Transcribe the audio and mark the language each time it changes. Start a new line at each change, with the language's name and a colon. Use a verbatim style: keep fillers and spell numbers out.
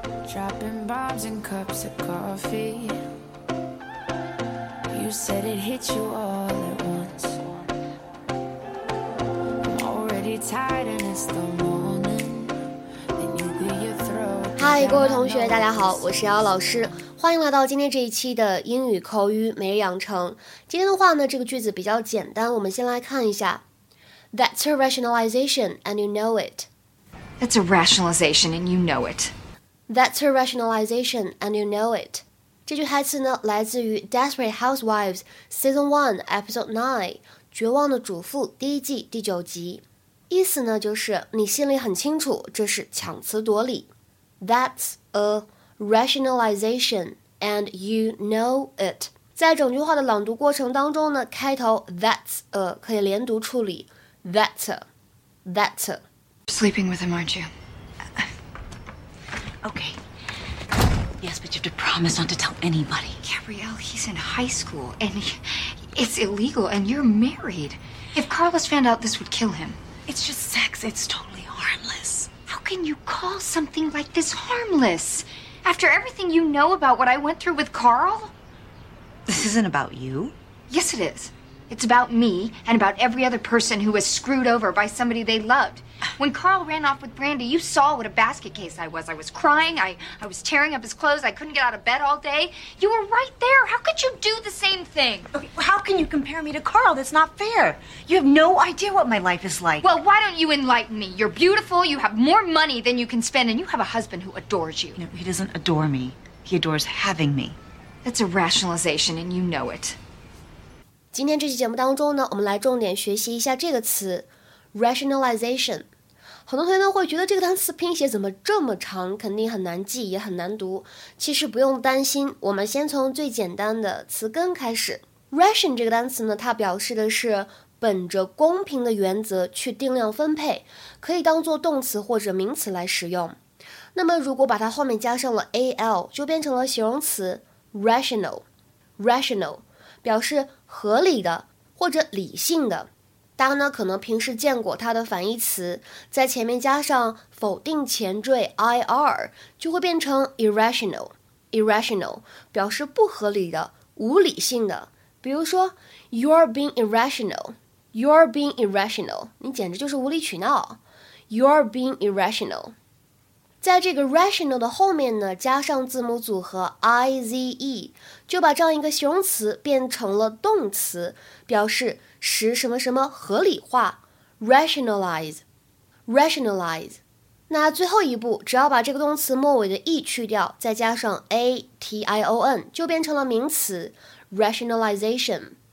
English: dropping bombs in cups of coffee. You said it hit you all at once. I'm already tired and it's the morning. Then you clear your throat.
Chinese: 嗨，各位同学，大家好，我是姚老师。欢迎来到今天这一期的英语口语每日养成。今天的话呢，这个句子比较简单，我们先来看一下。
English: That's a rationalization, and you know it. That's a rationalization, and you know it. That's a rationalization, and you know it.
Chinese: 这句台词呢，来自于《Desperate Housewives》Season One Episode Nine《绝望的主妇》第一季第九集。意思呢，就是你心里很清楚，这是强词夺理。
English: That's a rationalization, and you know it.
Chinese: 在整句话的朗读过程当中呢，开头 that's a 可以连读处理
English: that's a, that's a. Sleeping with him, aren't you? Okay. Yes, but you have to promise not to tell anybody. Gabrielle, he's in high school, and he, it's illegal, and you're married. If Carlos found out, this would kill him. It's just sex. It's totally harmless. How can you call something like this harmless? After everything you know about what I went through with Carl? This isn't about you. Yes, it is. It's about me and about every other person who was screwed over by somebody they loved. When Carl ran off with Brandy, you saw what a basket case I was. I was crying. I, I was tearing up his clothes. I couldn't get out of bed all day. You were right there. How could you do the same thing? Okay, how can you compare me to Carl? That's not fair. You have no idea what my life is like. Well, why don't you enlighten me? You're beautiful. You have more money than you can spend, and you have a husband who adores you. No, he doesn't adore me. He adores having me. That's a rationalization, and you know it.
Chinese: 今天这期节目当中呢，我们来重点学习一下这个词 rationalization。很多同学呢会觉得这个单词拼写怎么这么长，肯定很难记，也很难读。其实不用担心，我们先从最简单的词根开始。 ration 这个单词呢，它表示的是本着公平的原则去定量分配，可以当做动词或者名词来使用。那么如果把它后面加上了 al， 就变成了形容词 rational。 rational 表示合理的或者理性的，大家呢可能平时见过它的反义词，在前面加上否定前缀 ir， 就会变成 irrational。 irrational 表示不合理的、无理性的。比如说
English: ，you're being irrational， you're being irrational，
Chinese: 你简直就是无理取闹。
English: you're being irrational。
Chinese: 在这个 rational 的后面呢，加上字母组合 I Z E， 就把这样一个形容词变成了动词，表示使什么什么合理化 rationalize。
English: rationalize。
Chinese: 那最后一步，只要把这个动词末尾的 e 去掉，再加上 a t i o n， 就变成了名词 rationalization。